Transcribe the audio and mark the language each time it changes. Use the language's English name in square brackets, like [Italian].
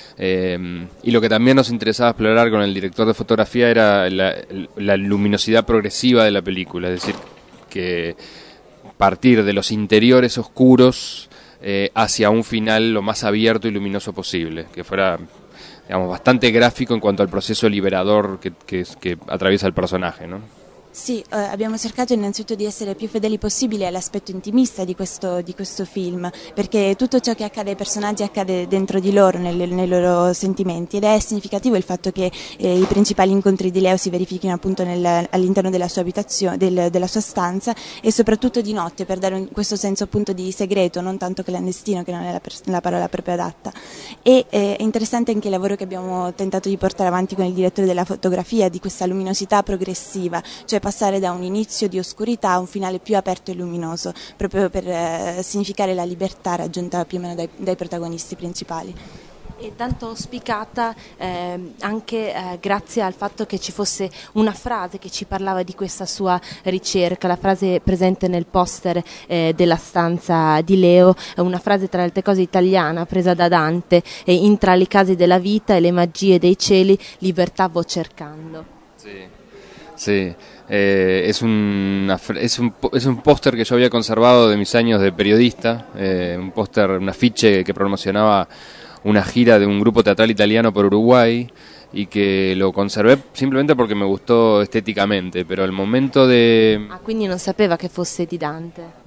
[Spanish] Y lo que también nos interesaba explorar con el director de fotografía era la luminosidad progresiva de la película, es decir, que partir de los interiores oscuros hacia un final lo más abierto y luminoso posible, que fuera, digamos, bastante grafico en cuanto al proceso liberador que atraviesa el personaje, ¿no? [Italian] Sì, abbiamo cercato innanzitutto di essere più fedeli possibile all'aspetto intimista di questo film, perché tutto ciò che accade ai personaggi accade dentro di loro, nei loro sentimenti, ed è significativo il fatto che i principali incontri di Leo si verifichino appunto all'interno della sua abitazione, della sua stanza, e soprattutto di notte, per dare questo senso appunto di segreto, non tanto clandestino, che non è la parola proprio adatta. E è interessante anche il lavoro che abbiamo tentato di portare avanti con il direttore della fotografia, di questa luminosità progressiva, cioè passare da un inizio di oscurità a un finale più aperto e luminoso, proprio per significare la libertà raggiunta più o meno dai protagonisti principali. E tanto auspicata anche grazie al fatto che ci fosse una frase che ci parlava di questa sua ricerca, la frase presente nel poster della stanza di Leo, una frase tra le altre cose italiana presa da Dante, in tra le case della vita e le magie dei cieli, libertà vo cercando. Sì. [Spanish] Sí, es un póster que yo había conservado de mis años de periodista, un póster, un afiche que promocionaba una gira de un grupo teatral italiano por Uruguay, y que lo conservé simplemente porque me gustó estéticamente, pero el momento de... [Italian] Ah, quindi non sapeva che fosse di Dante.